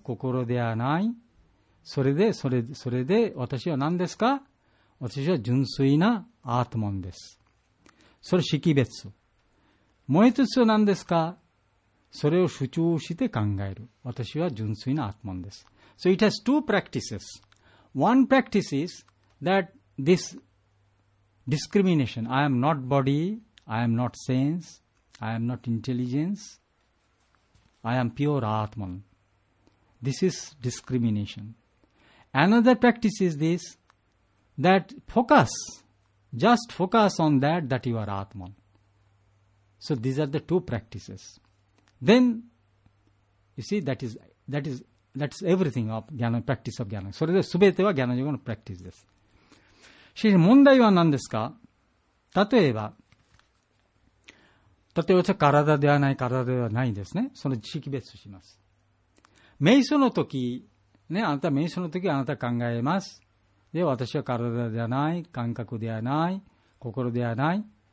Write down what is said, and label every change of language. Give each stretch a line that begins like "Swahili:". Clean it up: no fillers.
Japanese: 心ではない。それで私は何ですか？私は純粋なアートマンです。それ識別。もう一つは何ですか？それを主張して考える。私は純粋なアートマンです。
English: So it has two practices. One practice is that this discrimination, I am not body, I am not sense, I am not intelligence, I am pure Atman. This is discrimination. Another practice is this, that focus, just focus on that you are Atman. So these are the two practices. Then, you see, that is everything of jnana, practice of jnana.
Japanese: それで全てはジ ñ a n a j o g の practice です。しかし問題は何ですか？例えば体ではない、体ではないですね。その識別します。瞑想の時、ね、あなた瞑想の時あなた考えます。で、私は体ではない、感覚ではない、心ではない。